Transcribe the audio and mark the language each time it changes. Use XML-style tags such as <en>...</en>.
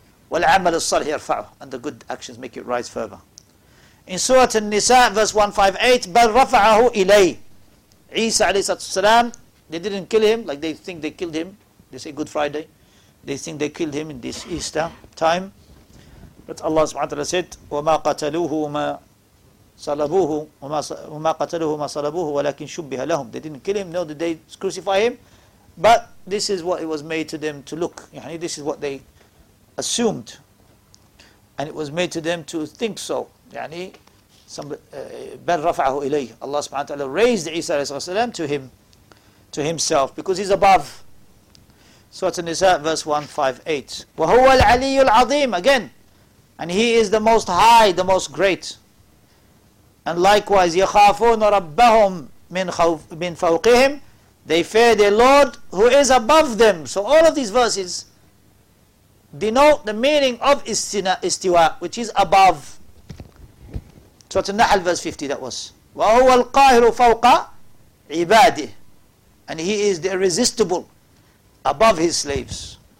<ar>وَالْعَمَلُ الصَّلْحِ يَرْفَعُهُ.</ar> <en>And the good actions make it rise further. In Surah An-Nisa, verse 158,</en> <ar>بَلْ رَفَعَهُ إِلَيْهِ.</ar> <en>Isa alayhi salatu wasalam, they didn't kill Him like they think they killed Him. They say Good Friday. They think they killed Him in this Easter time. But Allah subhanahu wa ta'ala said,</en> <ar>وَمَا قَتَلُوهُ وَمَا صَلَبُوهُ وَمَا قَتَلُوهُ وَمَا صَلَبُوهُ وَلَكِنْ شُبِّهَ لَهُمْ.</ar> <en>They didn't kill Him, nor did they crucify Him. But this is what it was made to them to look. This is what they assumed. And it was made to them to think so.</en> <ar>بَلْرَفَعَهُ إِلَيْهِ.</ar> <en>Allah subhanahu wa ta'ala raised Isa alayhi salam to Him, to Himself, because He's above. Surah An-Nisa, verse 158.</en> <ar>وَهُوَ الْعَلِيُّ الْعَظِيمُ.</ar> <en>Again. And He is the most high, the most great. And likewise,</en> <ar>يَخَافُونَ رَبَّهُمْ مِنْ فَوْقِهِمْ.</ar> <en>They fear their Lord who is above them. So all of these verses denote the meaning of istiwa, which is above. Surah An-Nahl, verse 50, that was.</en> <ar>وَهُوَ الْقَاهِرُ فَوْقَ عِبَادِهِ.</ar> <en>And He is the irresistible above His slaves.</en>